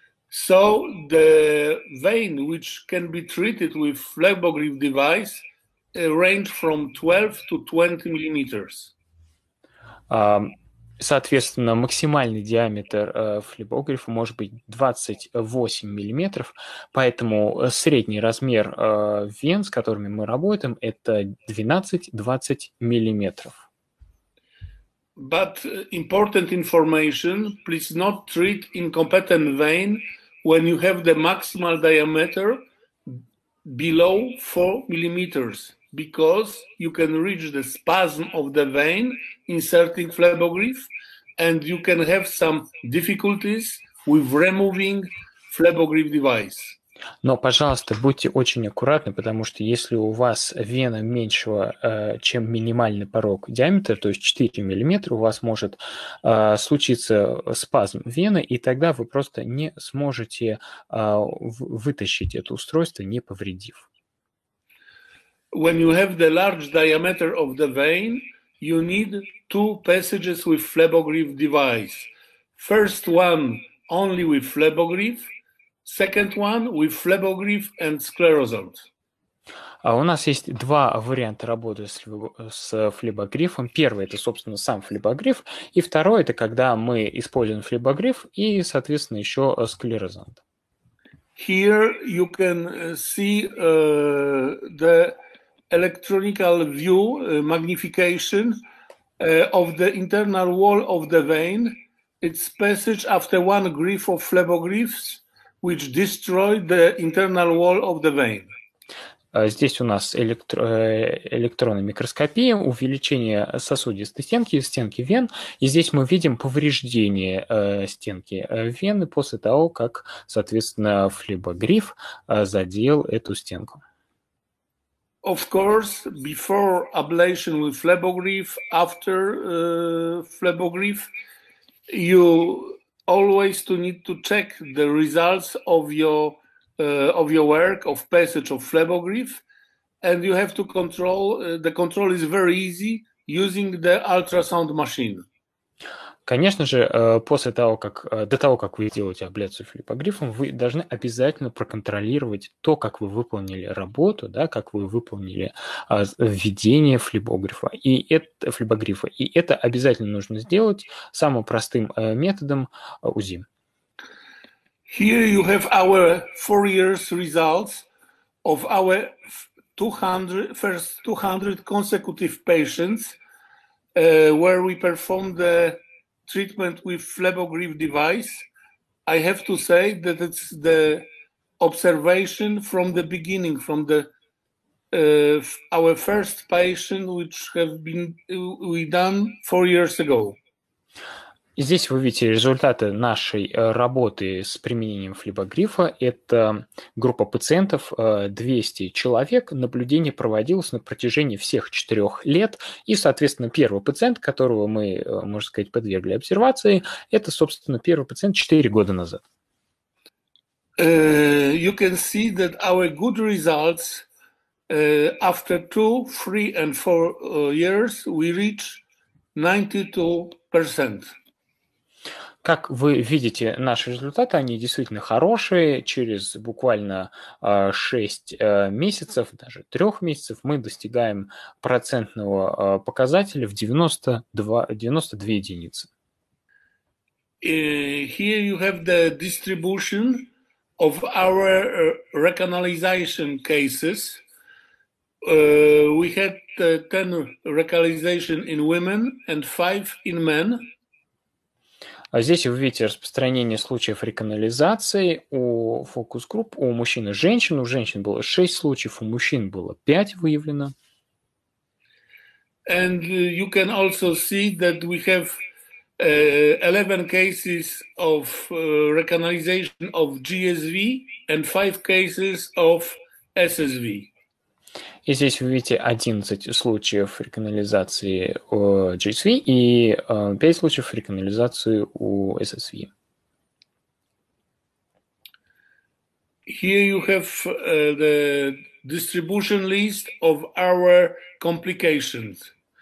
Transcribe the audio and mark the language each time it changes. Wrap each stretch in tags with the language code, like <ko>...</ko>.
<en>So the vein which can be treated with flebogriff device range from 12 to 20 millimeters.</en> <ru>Соответственно, максимальный диаметр флебогрифа может быть 28 миллиметров, поэтому средний размер вен, с которыми мы работаем, это 12-20 миллиметров.</ru> <en>But important information, please not treat incompetent vein when you have the maximal diameter below 4 millimeters, because you can reach the spasm of the vein inserting flebogrif, and you can have some difficulties with removing flebogrif device.</en> <ru>Но, пожалуйста, будьте очень аккуратны, потому что если у вас вена меньшего, чем минимальный порог диаметра, то есть 4 мм, у вас может случиться спазм вены, и тогда вы просто не сможете вытащить это устройство, не повредив.</ru> <en>When you have the large diameter of the vein, you need 2 passages with flebogrif device. First one only with flebogrif, second one with flebogrif and sclerosant.</en> <ru>У нас есть 2 варианта работы с флебогрифом. Первый – это, собственно, сам флебогриф, и второй – это когда мы используем флебогриф и, соответственно, еще склерозант.</ru> <en>Here you can see the electronical view, magnification of the internal wall of the vein. It's passage after one grief of flebogrifs, which destroyed the internal wall of the vein.</en> <ru>Здесь у нас электронная микроскопия, увеличение сосудистой стенки вен. И здесь мы видим повреждение стенки вены после того, как, соответственно, флебогриф задел эту стенку.</ru> <en>Of course, before ablation with flebogrif, after flebogrif, you always need to check the results of your work of passage of flebogrif, and you have to control. The control is very easy using the ultrasound machine.</en> <ru>Конечно же, после того, как до того, как вы делаете абляцию флебогрифом, вы должны обязательно проконтролировать то, как вы выполнили работу, да, как вы выполнили введение флебогрифа и это флебогрифа. И это обязательно нужно сделать самым простым методом УЗИ.</ru> <en>Here you have our 4 years results of our 200 consecutive patients where we performed the treatment with flebogrif device. I have to say that it's the observation from the beginning, from the our first patient, which have been we done 4 years ago.</en> <ru>Здесь вы видите результаты нашей работы с применением флебогрифа. Это группа пациентов, 200 человек. Наблюдение проводилось на протяжении всех 4 лет. И, соответственно, первый пациент, которого мы, можно сказать, подвергли обсервации, это, собственно, первый пациент 4 года назад.</ru> <en>You can see that our good results after 2, 3 and 4 years we reach 92%.</en> <ru>Как вы видите, наши результаты, они действительно хорошие. Через буквально 6 месяцев, даже 3 месяцев, мы достигаем процентного показателя в 92 единицы.</ru> <en>Here you have the distribution of our recanalization cases. We had 10 recanalization in women and 5 in men.</en> <ru>А здесь вы видите распространение случаев реканализации у фокус-групп, у мужчин и женщин. У женщин было 6 случаев, у мужчин было 5 выявлено.</ru> <en>And you can also see that we have 11 cases of reканализация of GSV and 5 cases of SSV.</en> <ru>И здесь вы видите 11 случаев реканализации у GSV и 5 случаев реканализации у SSV.</ru> <en>Here you have the distribution list of our complications.</en>